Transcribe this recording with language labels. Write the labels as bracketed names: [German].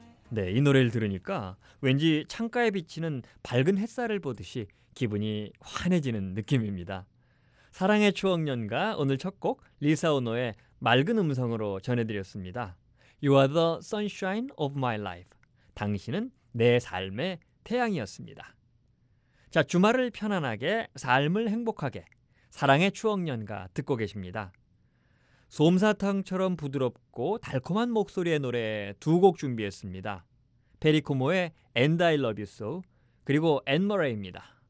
[Korean] 네, 이 노래를 들으니까 왠지 창가에 비치는 밝은 햇살을 보듯이 기분이 환해지는 느낌입니다. 사랑의 추억연가 오늘 첫 곡 리사 오노의 맑은 음성으로 전해드렸습니다. [English] You are the sunshine of my life. [Korean] 당신은 내 삶의 태양이었습니다. 자, 주말을 편안하게, 삶을 행복하게, 사랑의 추억연가 듣고 계십니다. 솜사탕처럼 부드럽고 달콤한 목소리의 노래 두 곡 준비했습니다. 페리코모의 And I Love You So, 그리고 앤 머레이입니다.